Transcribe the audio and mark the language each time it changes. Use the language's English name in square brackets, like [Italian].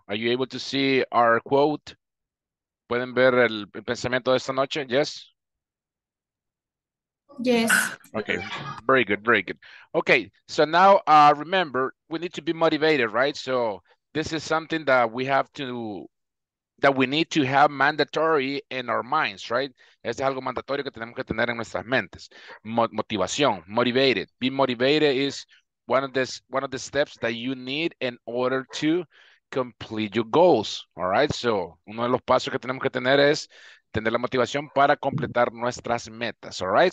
[English] Are you able to see our quote? [Spanish] ¿Pueden ver el pensamiento de esta noche? [English] Yes? Yes. Okay, very good, very good. Okay, so now remember, we need to be motivated, right? So this is something that we have to, that we need to have mandatory in our minds, right? [Spanish] Este es algo mandatorio que tenemos que tener en nuestras mentes. [English] Motivación, motivated. Be motivated is one of the steps that you need in order to complete your goals, all right? [Spanish] So, uno de los pasos que tenemos que tener es tener la motivación para completar nuestras metas, all right?